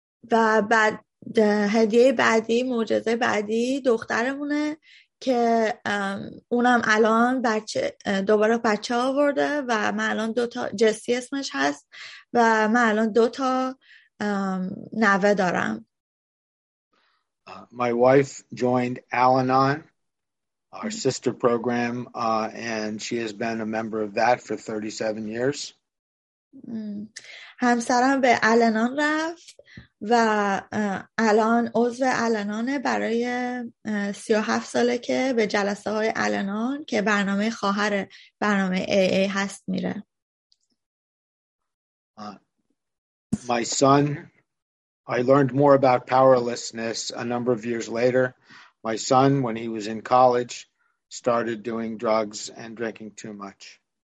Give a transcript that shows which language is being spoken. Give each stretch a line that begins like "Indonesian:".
Persian: و بعد هدیه بعدی، معجزه بعدی دخترمونه که اونم الان بچه دوباره بچه آورده و من الان دوتا جسی اسمش هست و من الان دوتا نوه دارم.
English: My wife joined Al-Anon, our sister program, and she has been a member of that for 37 years.
Persian: همسرم به الانان رفت و الان عضو الانان برای 37 ساله که به جلسه های الانان که برنامه خواهر برنامه AA هست میره.
English: My son, I learned more about powerlessness a number of years later. My son, when he was in college, started doing drugs and drinking too much.